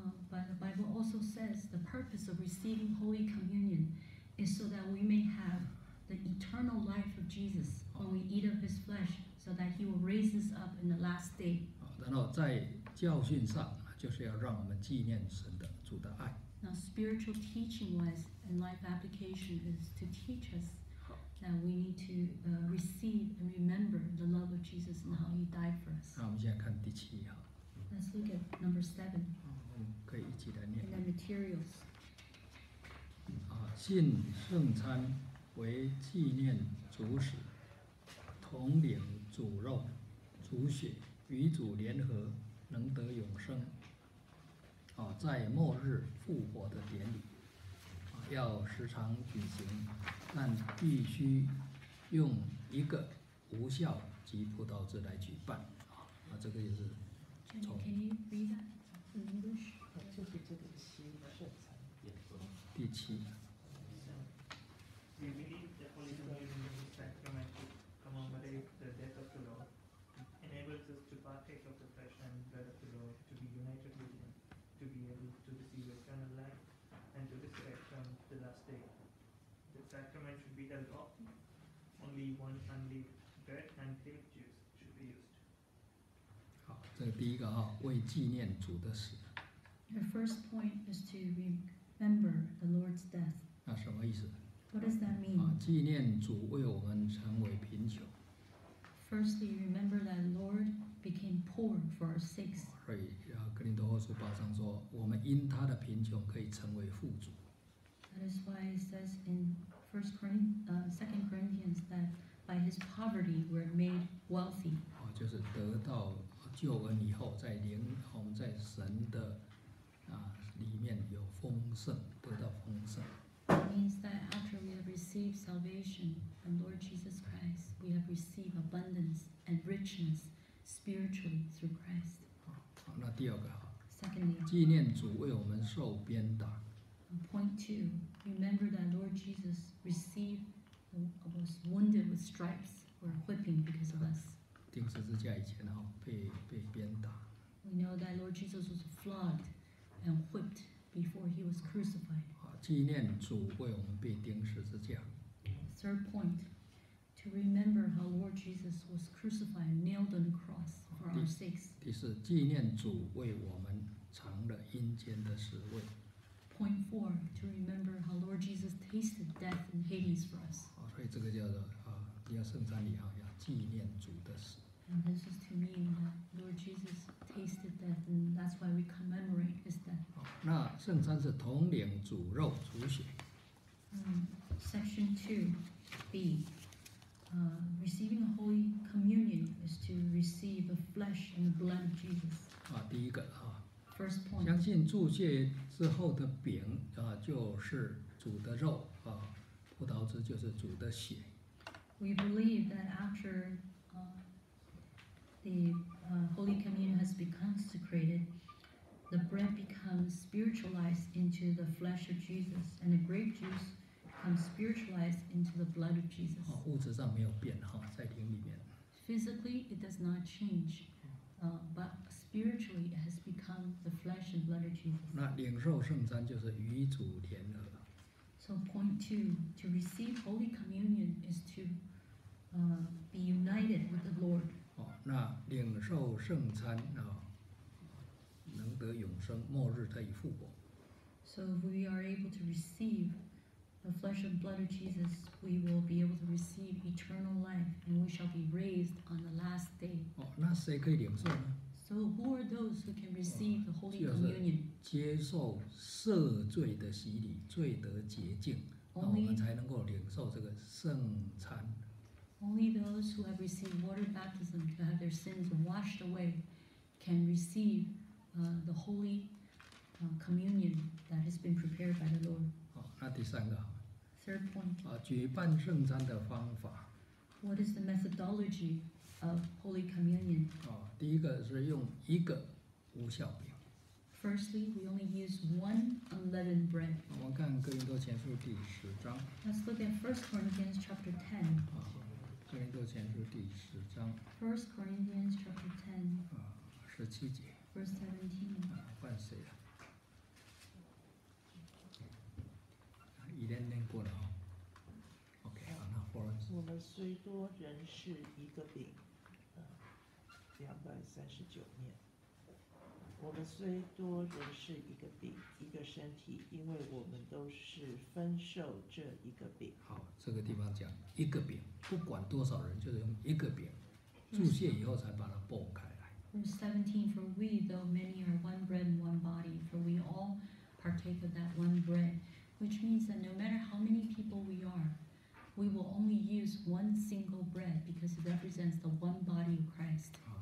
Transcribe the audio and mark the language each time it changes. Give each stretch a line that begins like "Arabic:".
English: But the Bible also says the purpose of receiving Holy Communion. Is so that we may have the eternal life of Jesus when we eat of His flesh, so that He will raise us up in the last day.
Chinese: 然后在教训上，就是要让我们纪念神的主的爱。
English: Now spiritual teaching wise and life application is to teach us that we need to receive and remember the love of Jesus and how He died for us.
Chinese: 那我们现在看第七
English: Let's look at number 7.
Chinese: 可以一起来念。
English: In the materials.
Chinese: 信圣餐为纪念主死，同领主肉、主血，与主联合，能得永生。在末日复活的典礼，要时常举行，但必须用一个无酵及葡萄汁来举办。啊，这个也是。
English: Can you read that in English？
Chinese: 就是这个七圣餐。第七。
English: We believe the Holy Communion is a sacrament to commemorate the death of the Lord, enables us to partake of the flesh and blood of the Lord, to be united with Him, to be able to receive eternal life, and to resurrect on the last day. The sacrament should be the law. Only one unleavened bread and grape juice should be used.
Chinese: 好，这第一个啊，为纪念主的死。
English: The first point is to remember the Lord's death.
Chinese: 那什么意思？
English: What does that mean?
Chinese: 纪念主为我们成为贫穷。
English: Firstly, remember that Lord became poor for our sakes.
Chinese: 所以哥林多后书八章说，我们因他的贫穷可以成为富足。
English: That is why it says in Second Corinthians that by his poverty we're made wealthy.
Chinese: 就是得到救恩以后，在灵，我们在神的里面有丰盛，得到丰盛。
English: It means that after we have received salvation from Lord Jesus Christ, we have received abundance and richness spiritually through Christ.
Chinese: 好，那第二个。
English: Secondly,
Chinese: 纪念主为我们受鞭打。
English: Point two, remember that Lord Jesus was wounded with stripes or whipping because of us.
Chinese: 钉十字架以前被鞭打。
English: We know that Lord Jesus was flogged and whipped before he was crucified.
Chinese: 纪念主为我们被钉十字架。
English: Third point, to remember how Lord Jesus was crucified, nailed on the cross for our sakes.
Chinese: 第四，纪念主为我们尝了阴间的滋味。
English: Point four, to remember how Lord Jesus tasted death and Hades for us.
Chinese: 所以这个叫做第二圣餐礼哈，要纪念主的死。
English: And this is to mean that Lord Jesus tasted death, and that's why we commemorate his death.
Chinese: 那圣餐是统领主肉主血。
English: Section 2b, receiving the Holy Communion is to receive the flesh and the blood of Jesus.
Chinese: 第一个
English: First point.
Chinese: 相信祝谢之后的饼就是主的肉葡萄汁就是主的血。
English: We believe that after Holy Communion has been consecrated, the bread becomes spiritualized into the flesh of Jesus, and the grape juice becomes spiritualized into the blood of Jesus.
Chinese: 物质上没有变哈，在灵里面。
English: Physically, it does not change, but spiritually, it has become the flesh and blood of Jesus.
Chinese: 那领受圣餐就是与主联合。
English: So point two, to receive Holy Communion is to be united with the Lord.
Chinese: 那领受圣餐能得永生，末日得以复活。
English: So if we are able to receive the flesh and blood of Jesus, we will be able to receive eternal life, and we shall be raised on the last day.
Chinese: 那谁可以领受呢？
English: So who are those who can receive the Holy Communion?
Chinese: 接受赦罪的洗礼，罪得洁净，那我们才能够领受这个圣餐。
English: Only those who have received water baptism to have their sins washed away can receive the holy communion that has been prepared by the Lord.
Chinese: 那第三个。
English: Third point.
Chinese: 举办圣餐的方法。
English: What is the methodology of holy communion?
Chinese: 第一个是用一个无酵饼。
English: Firstly, we only use one unleavened bread.
Chinese: 我们看哥林多前书第十章。
English: Let's look at First Corinthians chapter 10.
Chinese: 哥林多前书第十章。
English: First Corinthians chapter 10.
Chinese: 十七节。
English: Verse 17.
Chinese: 换谁啊？一连念过了哦。 OK， 好，那 Florence。我们虽多人是一个饼，239面。我们虽多人是一个饼，一个身体，因为我们都是分受这一个饼。好，这个地方讲一个饼，不管多少人，就是用一个饼，祝谢以后才把它擘开来。
English: Verse 17, for we, though many, are one bread and one body, for we all partake of that one bread, which means that no matter how many people we are, we will only use one single bread because it represents the one body of Christ.